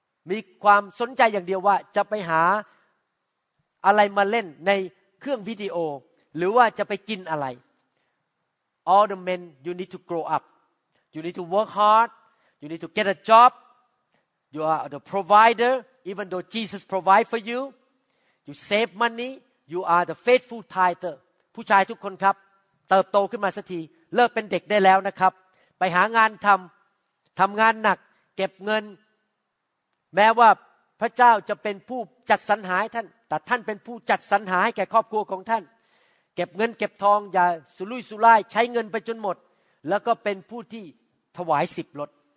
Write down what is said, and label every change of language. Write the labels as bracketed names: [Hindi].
[Thai] มีความสนใจอย่างเดียวว่าจะไปหาอะไรมาเล่นในเครื่องวิดีโอหรือว่าจะไปกินอะไร [English] All the men you need to grow up you need to work hard you need to get a job You are the provider, even though Jesus provide for you. You save money. You are the faithful tither. [Thai] ผู้ชายทุกคนครับเติบโตขึ้นมาสักทีเลิกเป็นเด็กได้แล้วนะครับไปหางานทำทำงานหนักเก็บเงินแม้ว่าพระเจ้าจะเป็นผู้จัดสรรหาท่านแต่ท่านเป็นผู้จัดสรรหาให้แก่ครอบครัวของท่านเก็บเงินเก็บทองอย่าสุรุ่ยสุร่ายใช้เงินไปจนหมดแล้วก็เป็นผู้ที่ถวายสิบลด